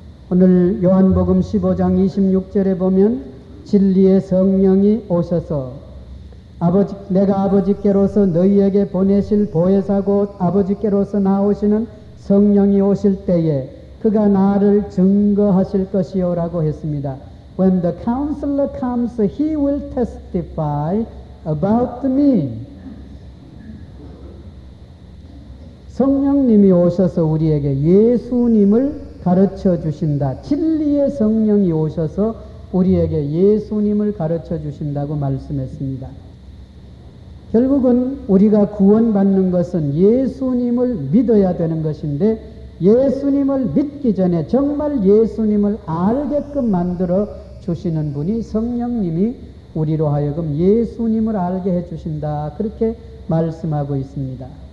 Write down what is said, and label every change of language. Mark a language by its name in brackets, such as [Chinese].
[Korean] 오늘 요한복음 15장 26절에 보면 진리의 성령이 오셔서 아버지, 내가 아버지께로서 너희에게 보내실 보혜사 곧 아버지께로서 나오시는 성령이 오실 때에 그가 나를 증거하실 것이요라고 했습니다. [English] When the counselor comes, he will testify about me. [Korean] 성령님이 오셔서 우리에게 예수님을 가르쳐 주신다. 진리의 성령이 오셔서 우리에게 예수님을 가르쳐 주신다고 말씀했습니다. 결국은 우리가 구원받는 것은 예수님을 믿어야 되는 것인데, 예수님을 믿기 전에 정말 예수님을 알게끔 만들어 주시는 분이 성령님이 우리로 하여금 예수님을 알게 해주신다, 그렇게 말씀하고 있습니다.